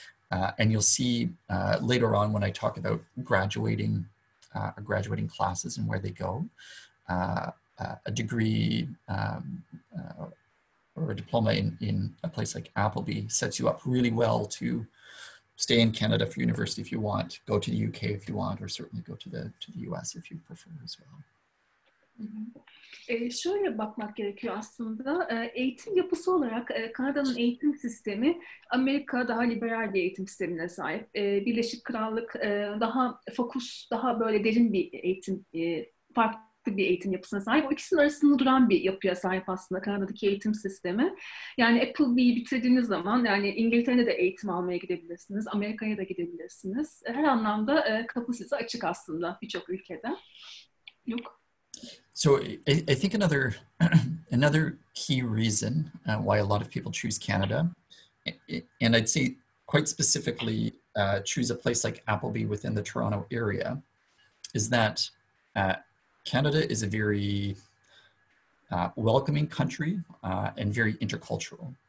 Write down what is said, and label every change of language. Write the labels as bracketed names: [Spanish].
[English] And you'll see later on when I talk about graduating, graduating classes and where they go, a degree or a diploma in a place like Appleby sets you up really well to stay in Canada for university if you want, go to the UK if you want, or certainly go to the US if you prefer as well. [Turkish] Şöyle bakmak gerekiyor aslında. Eğitim yapısı olarak Kanada'nın eğitim sistemi, Amerika daha liberal bir eğitim sistemine sahip. Birleşik Krallık daha fokus, daha böyle derin bir eğitim, farklı farklı bir eğitim yapısına sahip. O ikisinin arasında duran bir yapıya sahip aslında Kanada'daki eğitim sistemi. Yani Appleby'yi bitirdiğiniz zaman yani İngiltere'de de eğitim almaya gidebilirsiniz. Amerika'ya da gidebilirsiniz. Her anlamda kapı size açık aslında birçok ülkede. Yok. [English] So I think another key reason why a lot of people choose Canada, and I'd say quite specifically choose a place like Appleby within the Toronto area, is that Canada is a very welcoming country and very intercultural.